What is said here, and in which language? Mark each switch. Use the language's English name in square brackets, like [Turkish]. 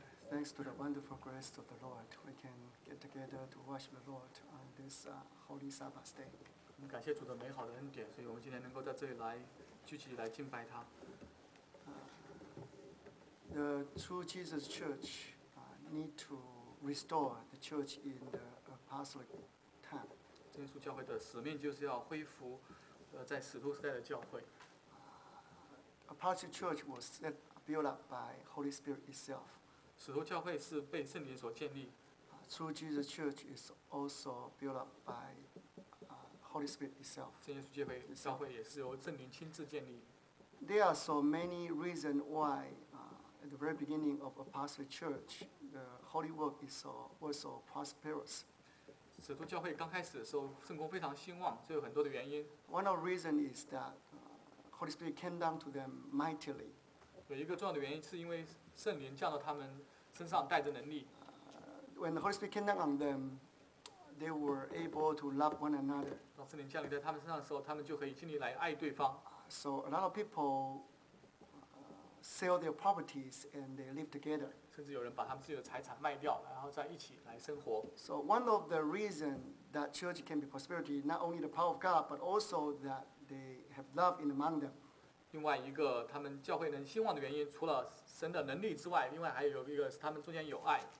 [English] thanks to the wonderful grace of the Lord, we can get together to worship the Lord on this Holy Sabbath day. [Chinese] 我们感谢主的美好的恩典，所以我们今天能够在这里来聚集来敬拜他。 [English] The True Jesus Church need to restore the church in the apostolic time. [Chinese] 真耶稣教会的使命就是要恢复，在使徒时代的教会。 [English] Apostolic church was set built up by Holy Spirit itself. [Chinese] 使徒教会是被圣灵所建立。 [English] True Jesus Church is also built up by Holy Spirit itself. [Chinese] 真耶稣教会也是由圣灵亲自建立。 [English] There are so many reasons why, at the very beginning of Apostolic Church, the Holy Work is so, was so prosperous. [Chinese] 使徒教会刚开始的时候，圣工非常兴旺，这有很多的原因。 [English] One of the reasons is that Holy Spirit came down to them mightily. [Chinese] 有一个重要的原因是因为圣灵降到他们身上，带着能力。 [English] When the Holy Spirit came down on them, they were able to love one another. [Chinese] 当圣灵降临在他们身上的时候，他们就可以尽力来爱对方。 [English] So a lot of people sell their properties and they live together. [Chinese] 甚至有人把他们自己的财产卖掉，然后在一起来生活。 [English] So one of the reasons that church can be prosperity, not only the power of God, but also that they have love in among them. [Chinese] 另外一个他们教会能兴旺的原因，除了神的能力之外，另外还有一个是他们中间有爱。